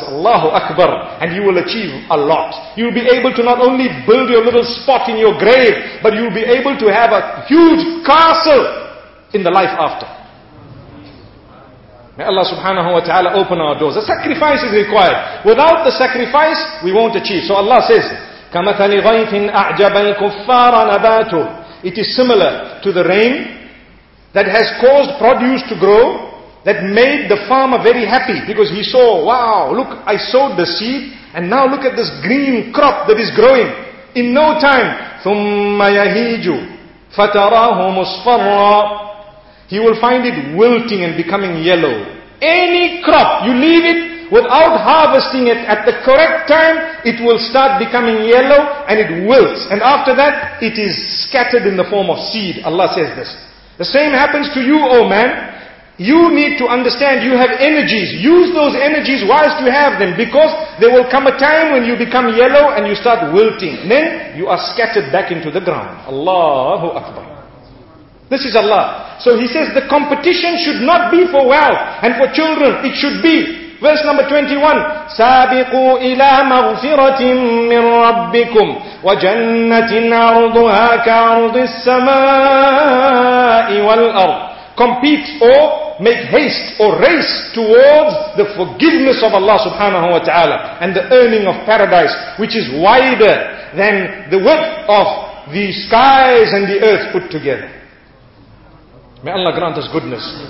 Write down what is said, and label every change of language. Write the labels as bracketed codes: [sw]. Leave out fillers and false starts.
[en] Allahu Akbar. And you will achieve a lot. You'll be able to not only build your little spot in your grave, but you'll be able to have a huge castle in the life after. May Allah subhanahu wa ta'ala open our doors. A sacrifice is required. Without the sacrifice, we won't achieve. [ar] So Allah says, كَمَثَلِ غَيْثٍ أَعْجَبَ الْكُفَّارَ نَبَاتُهُ. [en] It is similar to the rain that has caused produce to grow, that made the farmer very happy because he saw, wow, look, I sowed the seed and now look at this green crop that is growing. In no time, [ar] ثُمَّ يَهِيجُ فَتَرَاهُ مُصْفَرًّا. [en] He will find it wilting and becoming yellow. Any crop, you leave it without harvesting it at the correct time, it will start becoming yellow and it wilts. And after that, it is scattered in the form of seed. Allah says this. The same happens to you, oh man. You need to understand you have energies. Use those energies whilst you have them, because there will come a time when you become yellow and you start wilting. Then you are scattered back into the ground. Allahu Akbar. This is Allah. So He says the competition should not be for wealth and for children. It should be. [ar] Verse number 21, سَابِقُوا إِلَى مَغْفِرَةٍ مِّن رَبِّكُمْ وَجَنَّةٍ عَرْضُهَا كَعْرْضِ السَّمَاءِ وَالْأَرْضِ. [en] Compete or make haste or race towards the forgiveness of Allah subhanahu wa ta'ala and the earning of paradise, which is wider than the width of the skies and the earth put together. May Allah grant us goodness.